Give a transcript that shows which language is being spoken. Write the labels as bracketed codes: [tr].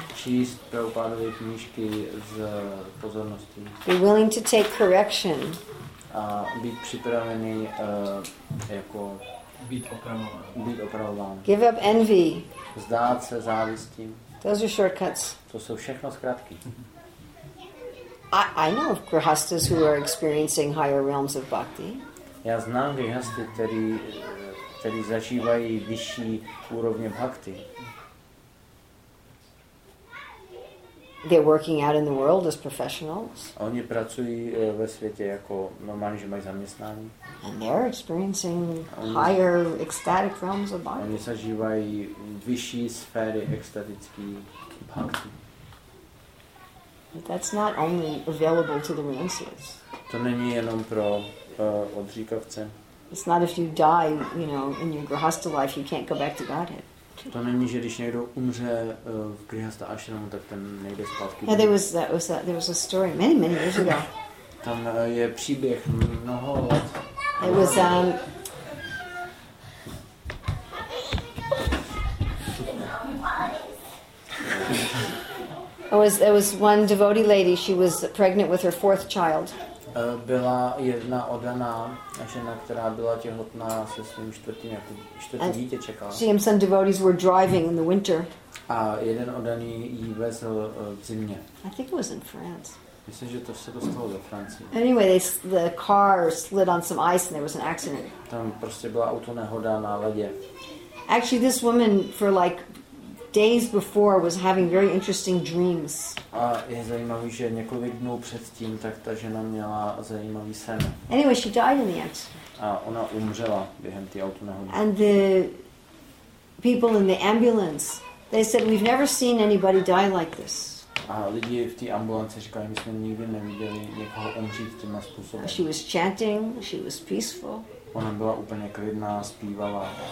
[cs] Číst Prabhupádovy knížky s pozorností. [en] Be willing to take correction. [cs] A být připravený jako být opravován. [en] Give up envy. [cs] Vzdát se závistí. [en] Those are shortcuts. [cs] To jsou všechno zkratky. [en] I know grihasthas who are experiencing higher realms of bhakti. [cs] Já znám grihasthy, kteří zažívají vyšší úrovně bhakti. [en] They're working out in the world as professionals. [cs] Oni pracují ve světě jako normální, že mají zaměstnání. [en] And they're experiencing higher ecstatic realms of bhakti. [cs] Oni zažívají vyšší sféry ekstatický bhakti. [en] But that's not only available to the renunciates. [cs] To není jenom pro odříkavce. [en] It's not if you die, you know, in your grihastha life, you can't go back to Godhead. [cs] To není, že když někdo umře v grihastha ashramu, tak ten nejde zpátky. [en] Yeah, there was a story many, many years ago. [cs] Tam je příběh mnoho let. [en] It was it was one devotee lady. She was pregnant with her fourth child. [cs] Byla jedna oddaná žena, která byla těhotná se svým čtvrtým, jako čtvrtý dítě čekala. [en] She and some devotees were driving in the winter. [cs] A jeden oddaný jí vezl v zimě. [en] I think it was in France. [cs] Myslím, že to se dostalo ve Francii. [en] Anyway, the car slid on some ice and there was an accident. [cs] Tam prostě byla autonehoda na ledě. [en] Actually, this woman for like days before was having very interesting dreams. [cs] A je zajímavý, že několik dnů předtím tak ta žena měla zajímavý sen. [en] Anyway, she died in the accident. [cs] A ona umřela během té autonehody. [en] And the people in the ambulance, they said, we've never seen anybody die like this. [cs] A lidi v té ambulanci říkali, my jsme nikdy neviděli někoho umřít tímhle způsobem. [en] She was chanting, she was peaceful. [cs] Ona byla úplně klidná, zpívala.